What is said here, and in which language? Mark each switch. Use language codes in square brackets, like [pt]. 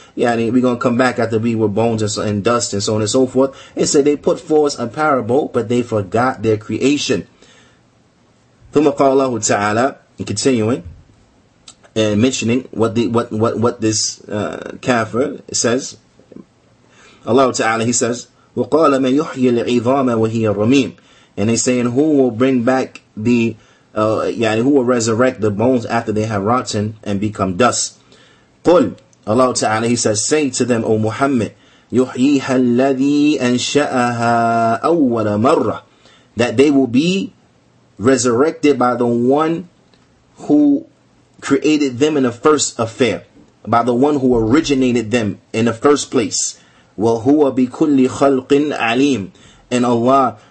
[en] Yeah, we're going to come back after we were bones and dust and so on and so forth. And so they put forth a parable, but they forgot their creation. [ar] ثُمَّ قَالَ اللَّهُ تَعَالَى, [en] and continuing, and mentioning what this kafir says. Allah Ta'ala, he says, [ar] وَقَالَ مَنْ يُحْيِي الْعِظَامَ وَهِيَ الرَّمِيمُ. [en] And they saying, who will bring back the... who will resurrect the bones after they have rotten and become dust? قُلْ, Allah Ta'ala, He says, say to them, O Muhammad, [ar] يُحْيِيهَا الَّذِي أَنْشَأَهَا أَوَّلَ مَرَّةٍ, [en] that they will be resurrected by the one who created them in the first affair, by the one who originated them in the first place. [ar] وَهُوَ بِكُلِّ خَلْقٍ عَلِيمٍ. [en] And Allah